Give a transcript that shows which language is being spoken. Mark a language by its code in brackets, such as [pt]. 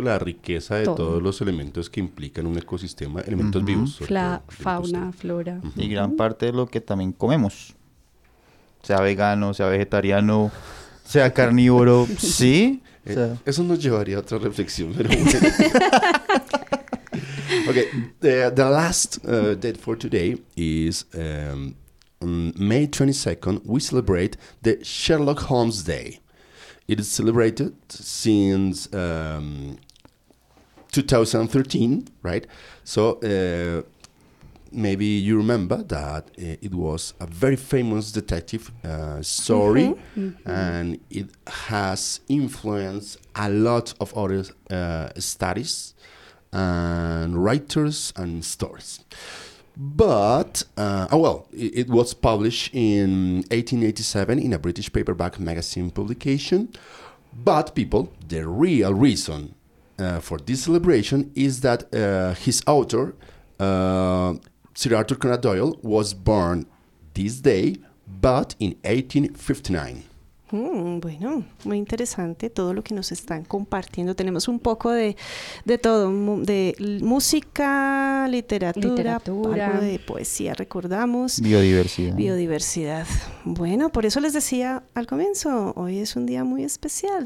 [es] La riqueza de todos los elementos que implican un ecosistema, elementos vivos. Fauna, flora. Y gran parte de lo que también comemos. Sea vegano, sea vegetariano, sea carnívoro, ¿sí? O sea. Eso nos llevaría a otra reflexión, pero bueno. [en] Ok, the last date for today is May 22nd, we celebrate the Sherlock Holmes Day. It is celebrated since 2013, right? So maybe you remember that it was a very famous detective story, and it has influenced a lot of other studies and writers and stories. But, it was published in 1887 in a British paperback magazine publication. But people, the real reason for this celebration is that his author, Sir Arthur Conan Doyle, was born this day, but in 1859. [es] Bueno, muy interesante todo lo que nos están compartiendo. Tenemos un poco de todo, de música, literatura, algo de poesía, recordamos. Biodiversidad. Bueno, por eso les decía al comienzo, hoy es un día muy especial.